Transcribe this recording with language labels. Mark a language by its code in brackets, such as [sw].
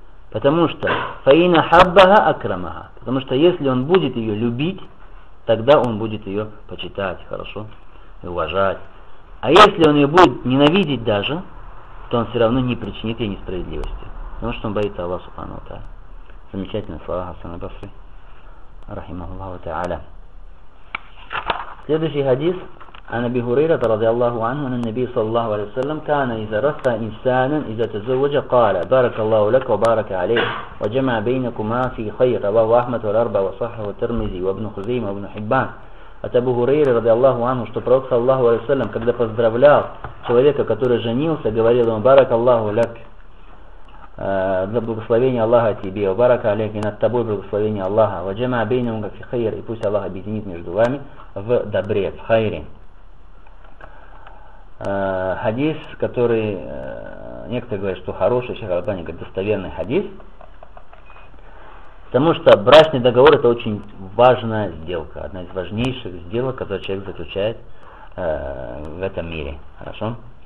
[ru] Потому что [ar] «Фаина хаббага акрамага». [ru] Потому что если он будет ее любить, тогда он будет ее почитать хорошо и уважать. А если он ее будет ненавидеть даже, то он все равно не причинит ей несправедливости. Потому что он боится Аллаха субхана ва тааля. Замечательные слова Хасана Басри. Рахимахуллах ва тааля. Следующий хадис. [ar] عن أبي هريرة رضي الله عنه أن النبي صلى الله عليه وسلم كان إذا رأى إنسانا إذا تزوج قال بارك الله لك وبارك عليك وجمع بينكما في خير رواه أحمد والأربعة وصححه الترمذي وابن خزيمة وابن حبان [ru] от Абу Хурейры رضي الله عنه что пророк صلى الله عليه وسلم когда поздравлял человека который женился говорил ему [ar] بارك الله لك [ru] за благословение Аллаха тебе [ar] وبارك عليك [ru] и над тобой благословение Аллаха [ar] وجمع بينهما في خير [ru] и пусть Аллах объединит между вами в добре в хайре. Хадис, который некоторые говорят, что хороший, Шейх Аль-Албани говорит, достоверный хадис, потому что брачный договор это очень важная сделка, одна из важнейших сделок, которые человек заключает в этом мире, хорошо?